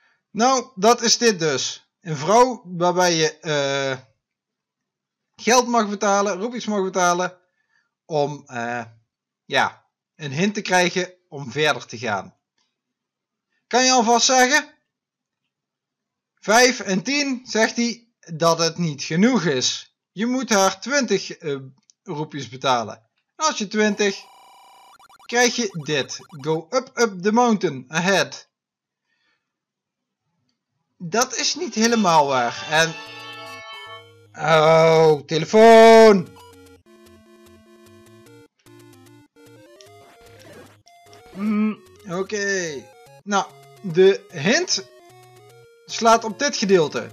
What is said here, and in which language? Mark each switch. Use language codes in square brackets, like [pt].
[nl] Nou, dat is dit dus. Een vrouw waarbij je geld mag betalen, roepjes mag betalen, om een hint te krijgen om verder te gaan. Kan je alvast zeggen? 5 en 10 zegt hij dat het niet genoeg is. Je moet haar 20 roepjes betalen. En als je 20, krijg je dit. [en] Go up the mountain ahead. [nl] Dat is niet helemaal waar. En... Oh, telefoon! Oké. Nou, de hint slaat op dit gedeelte.